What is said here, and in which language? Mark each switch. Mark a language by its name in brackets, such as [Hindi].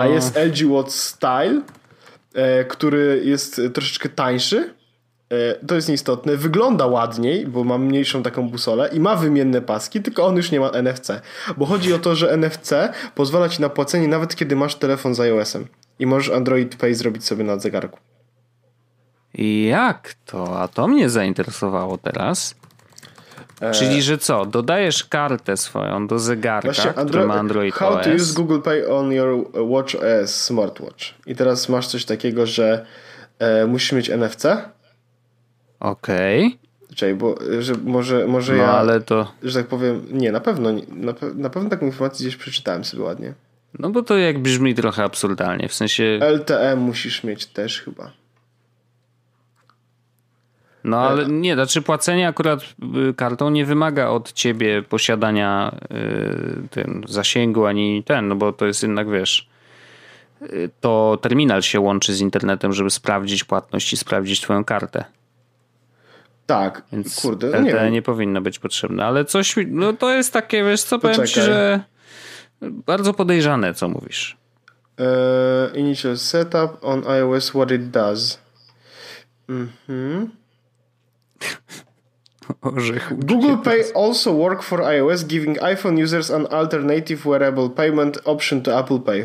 [Polish] A jest LG Watch Style, który jest troszeczkę tańszy, to jest nieistotne, wygląda ładniej, bo ma mniejszą taką busolę i ma wymienne paski, tylko on już nie ma NFC, bo chodzi o to, że NFC pozwala ci na płacenie nawet kiedy masz telefon z iOS-em i możesz Android Pay zrobić sobie na zegarku. Jak to? A to mnie zainteresowało teraz. Czyli, że co? Dodajesz kartę swoją do zegarka, właśnie, który ma Android OS. [English] How to use Google Pay on your watch OS smartwatch. [Polish] I teraz masz coś takiego, że musisz mieć NFC. Okej. Okay. Czekaj, bo że może no, ja... No ale to... Że tak powiem, nie, na pewno taką informację gdzieś przeczytałem sobie ładnie. No bo to jak brzmi trochę absurdalnie, w sensie... LTE musisz mieć też chyba. No ale nie, znaczy płacenie akurat kartą nie wymaga od ciebie posiadania ten zasięgu ani ten, no bo to jest jednak, wiesz, to terminal się łączy z internetem, żeby sprawdzić płatność i sprawdzić twoją kartę. Tak, więc kurde, LTE nie powinno być potrzebne, ale coś, no to jest takie, wiesz co, powiem ci, że bardzo podejrzane, co mówisz. [English] Initial setup on iOS, what it does. Mhm. [Polish] Orzech, Google Pay teraz. [English] Also work for iOS, giving iPhone users an alternative wearable payment option to Apple Pay.